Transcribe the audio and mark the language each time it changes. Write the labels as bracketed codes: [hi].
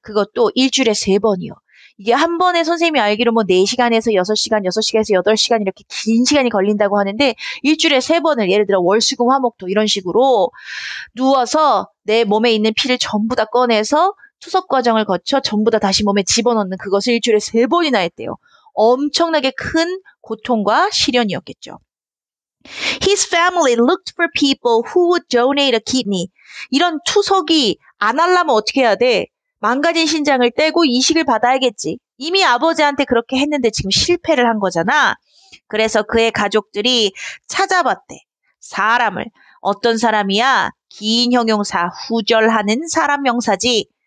[ko] 그것도 일주일에 세 번이요. 이게 한 번에 선생님이 알기로 뭐 4시간에서 6시간, 6시간에서 8시간 이렇게 긴 시간이 걸린다고 하는데 일주일에 세 번을 예를 들어 월수금 화목토 이런 식으로 누워서 내 몸에 있는 피를 전부 다 꺼내서 투석 과정을 거쳐 전부 다 다시 몸에 집어넣는 그것을 일주일에 세 번이나 했대요. 엄청나게 큰 고통과 시련이었겠죠. [en] His family looked for people who would donate a kidney. [ko] 이런 투석이 안 하려면 어떻게 해야 돼? 망가진 신장을 떼고 이식을 받아야겠지. 이미 아버지한테 그렇게 했는데 지금 실패를 한 거잖아. 그래서 그의 가족들이 찾아봤대. 사람을. 어떤 사람이야? 긴 형용사, 후절하는 사람 명사지.